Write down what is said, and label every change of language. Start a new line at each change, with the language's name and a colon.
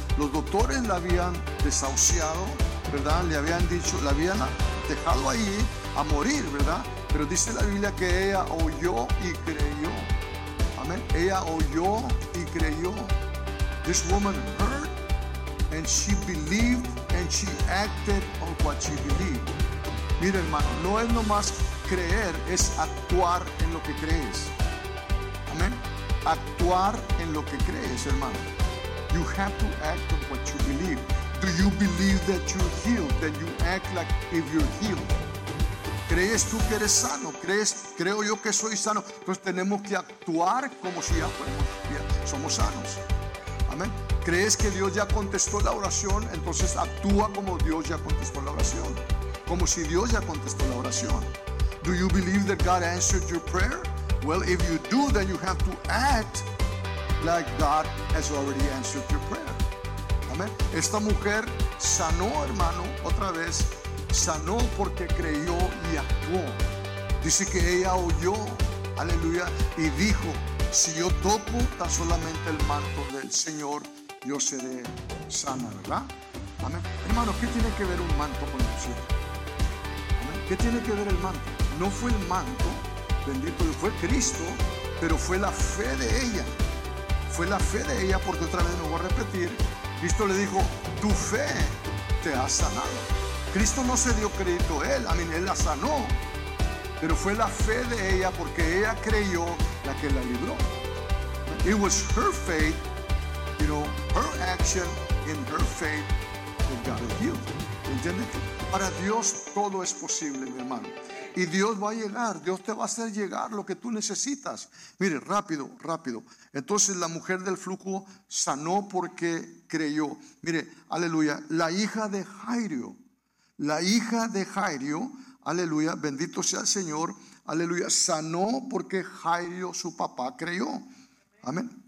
Spanish: Los doctores la habían desahuciado, ¿verdad? Le habían dicho, la habían dejado ahí a morir, ¿verdad? Pero dice la Biblia que ella oyó y creyó. Amén. Ella oyó y creyó.
English: This woman heard and she believed and she acted on what she believed.
Spanish: Mira, hermano, no es nomás creer, es actuar en lo que crees. Amén. Actuar en lo que crees, hermano.
English: You have to act on what you believe. Do you believe that you're healed? Then you act like if you're healed.
Spanish: ¿Crees tú que eres sano? ¿Crees? Creo yo que soy sano. Entonces tenemos que actuar como si ya fuéramos, ya somos sanos. Amén. ¿Crees que Dios ya contestó la oración? Entonces actúa como Dios ya contestó la oración. Como si Dios ya contestó la oración.
English: Do you believe that God answered your prayer? Well, if you do, then you have to act like God has already answered your prayer.
Spanish: Amén. Esta mujer sanó, hermano, otra vez. Sanó porque creyó y actuó. Dice que ella oyó, aleluya, y dijo, si yo toco tan solamente el manto del Señor, yo seré sana, ¿verdad? Amén. Hermano, ¿qué tiene que ver un manto con el cielo? ¿Amén? ¿Qué tiene que ver el manto? No fue el manto, bendito Dios, fue Cristo, pero fue la fe de ella. Fue la fe de ella, porque otra vez me voy a repetir, Cristo le dijo, tu fe te ha sanado. Cristo no se dio crédito a él, él la sanó, pero fue la fe de ella, porque ella creyó, la que la libró.
English: It was her faith, you know, her action in her faith that got her healed.
Spanish: ¿Entiendes? Para Dios todo es posible, mi hermano. Y Dios va a llegar, Dios te va a hacer llegar lo que tú necesitas. Mire, rápido, rápido. Entonces la mujer del flujo sanó porque creyó. Mire, aleluya, la hija de Jairo. La hija de Jairo, aleluya, bendito sea el Señor, aleluya, sanó porque Jairo, su papá, creyó. Amén.